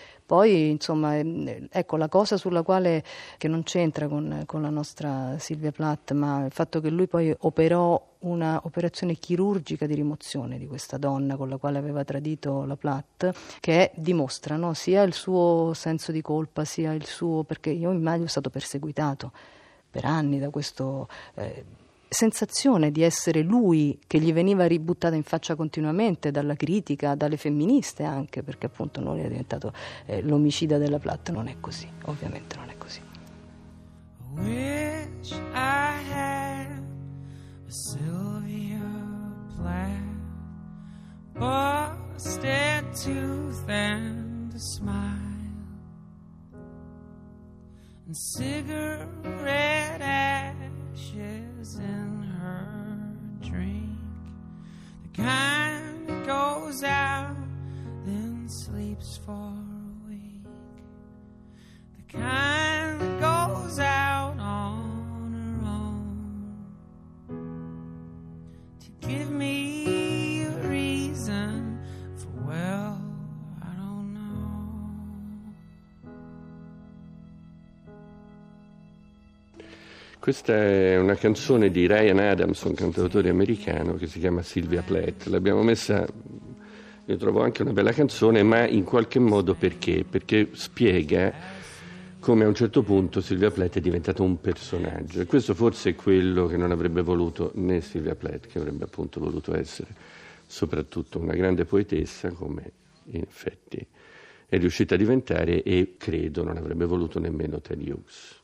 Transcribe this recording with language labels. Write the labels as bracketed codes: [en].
[it] Poi, insomma, ecco, la cosa sulla quale, che non c'entra con la nostra Sylvia Plath, ma il fatto che lui poi operò una operazione chirurgica di rimozione di questa donna con la quale aveva tradito la Plath, che dimostra, no, sia il suo senso di colpa, sia il suo, perché io immagino è stato perseguitato per anni da questo sensazione di essere lui che gli veniva ributtata in faccia continuamente dalla critica, dalle femministe anche, perché appunto non è diventato l'omicida della Platt, non è così, ovviamente non è così. [en] Wish I had a Sylvia Plath, busted tooth and a smile, and cigarette ashes and drink, the kind that goes out then sleeps for a week, the kind that goes out on her own to give me a reason for, well, I don't know. [it] Questa è una canzone di Ryan Adams, un cantautore americano che si chiama Sylvia Plath. L'abbiamo messa, io trovo anche una bella canzone, ma in qualche modo perché? Perché spiega come a un certo punto Sylvia Plath è diventato un personaggio. E questo forse è quello che non avrebbe voluto né Sylvia Plath, che avrebbe appunto voluto essere soprattutto una grande poetessa, come in effetti è riuscita a diventare, e credo non avrebbe voluto nemmeno Ted Hughes.